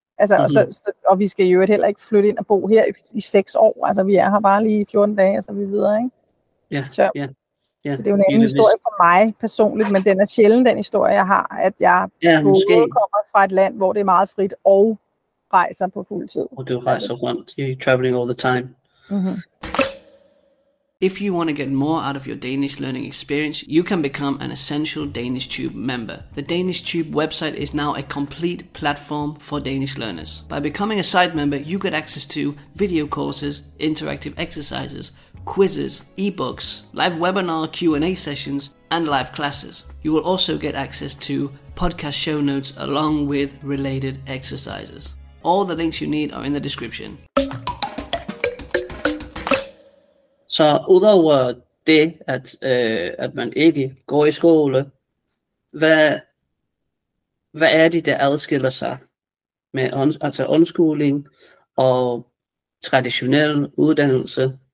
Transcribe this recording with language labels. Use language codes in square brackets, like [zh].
[da] Altså, og vi skal jo heller ikke flytte ind og bo her i 6 år, altså vi er her bare lige 14 dage og så vi videre, ikke? Så det er jo en anden historie for mig personligt, men den er sjældent den historie jeg har, at jeg kommer fra et land hvor det er meget frit og rejser på fuld tid. Og du rejser rundt. [en] You're traveling all the time. If you want to get more out of your Danish learning experience, you can become an Essential Danish Tube member. The Danish Tube website is now a complete platform for Danish learners. By becoming a site member, you get access to video courses, interactive exercises, quizzes, ebooks, live webinar Q&A sessions, and live classes. You will also get access to podcast show notes along with related exercises. All the links you need are in the description. [da] Så udover det, at man ikke går i skole, hvad er det, der adskiller sig med undskoling og traditionel uddannelse?